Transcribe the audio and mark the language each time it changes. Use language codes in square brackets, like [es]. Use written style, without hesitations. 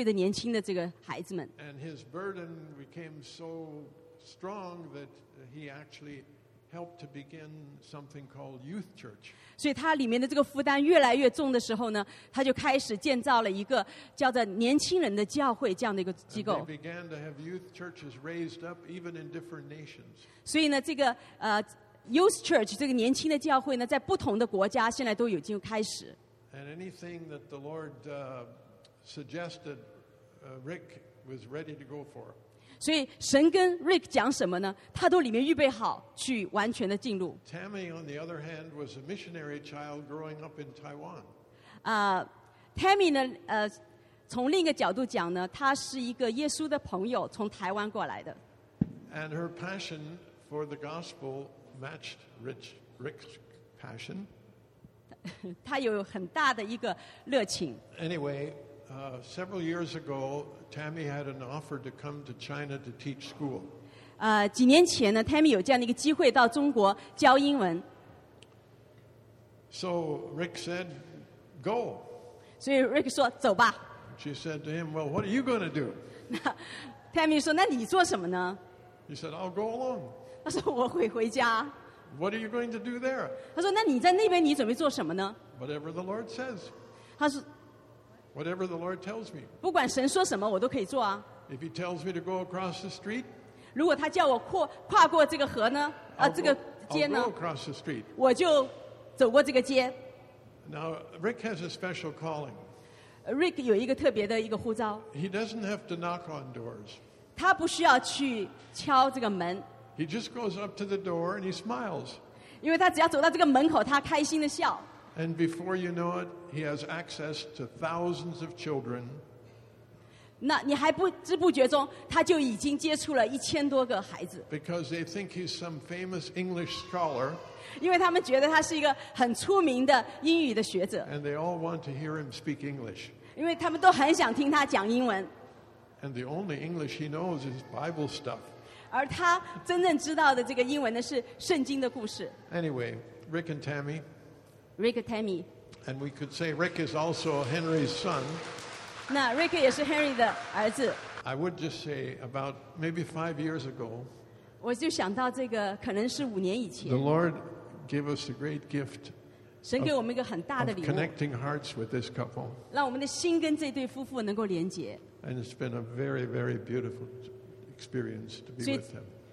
[zh] 他就有一个特别的一个热情对着年轻的这个孩子们。And [en] his burden became so strong that he actually helped to begin something called Youth Church. [zh] 所以他里面的这个负担越来越重的时候呢, 他就开始建造了一个叫做年轻人的教会这样的一个机构。 [en] And they began to have youth churches raised up even in different nations. [zh] 所以呢这个, Youth Church 这个年轻的教会呢, 在不同的国家, 现在都已经开始。 [en] And anything that the Lord suggested, Rick was ready to go for. [zh] 所以神跟Rick讲什么呢? 他都里面预备好去完全的进入。 [en] Tammy, on the other hand, was a missionary child growing up in Taiwan. [zh] Tammy呢, 从另一个角度讲呢, 她是一个耶稣的朋友, 从台湾过来的。 [en] And her passion for the gospel matched Rick's passion. [zh] 他有很大的一个热情。 [en] Anyway, several years ago, Tammy had an offer to come to China to teach school. [zh] 几年前呢, Tammy有这样的一个机会到中国教英文。 [en] So Rick said, go. [zh] 所以Rick说, 走吧。 [en] She said to him, well, what are you going to do? [zh] Tammy说, 那你做什么呢? [en] He said, I'll go along. [zh] 他说我会回家。 [en] What are you going to do there? [zh] 他说,那你在那边你准备做什么呢? [en] Whatever the Lord says. [zh] 他说, [en] Whatever the Lord tells me. [zh] 不管神说什么,我都可以做啊。 [en] If he tells me to go across the street, [zh] 如果他叫我跨过这个河呢, [en] I'll go across the street. [zh] 我就走过这个街。 [en] Now, Rick has a special calling. [zh] Rick有一个特别的一个呼召。 [en] He doesn't have to knock on doors. [zh] 他不需要去敲这个门。 [en] He just goes up to the door and he smiles. [zh] 因为他只要走到这个门口, 他开心地笑。 [en] And before you know it, he has access to thousands of children [zh] 那你还不知不觉中，他就已经接触了一千多个孩子。 [en] Because they think he's some famous English scholar. [zh] 因为他们觉得他是一个很出名的英语的学者。 [en] And they all want to hear him speak English. [zh] 因为他们都很想听他讲英文。 [en] And the only English he knows is Bible stuff. [zh] 而他真正知道的这个英文呢是圣经的故事。 [en] Anyway, Rick and Tammy. Rick and Tammy. And we could say Rick is also Henry's son. [zh] 那 Rick 也是 Henry 的儿子。 [en] I would just say about maybe 5 years ago. [zh] 我就想到这个可能是五年以前。 [en] The Lord gave us a great gift. [zh] 神给我们一个很大的礼物。 [en] Connecting hearts with this couple. [zh] 让我们的心跟这对夫妇能够连接。 [en] And it's been a very, very beautiful experience to be with them.